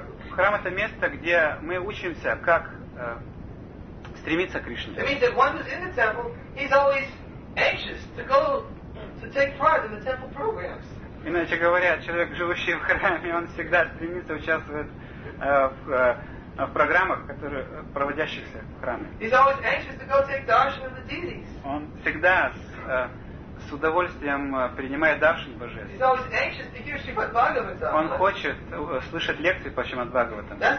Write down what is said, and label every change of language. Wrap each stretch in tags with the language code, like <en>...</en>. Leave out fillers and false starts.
<ru>Храм — это место, где мы учимся, как стремиться к Кришне.</ru> <en>It means that one who's in the temple, he's always anxious to go to take part in the temple programs.</en> <ru>Иначе говоря, человек, живущий в храме, он всегда стремится участвовать в программах, которые проводящихся в храме.</ru> <en>He's always anxious to go take darshan of the deities.</en> <ru>Он всегда с удовольствием принимает даршин божественный. Он хочет слышать лекции по Шримад-Бхагаватам.</ru>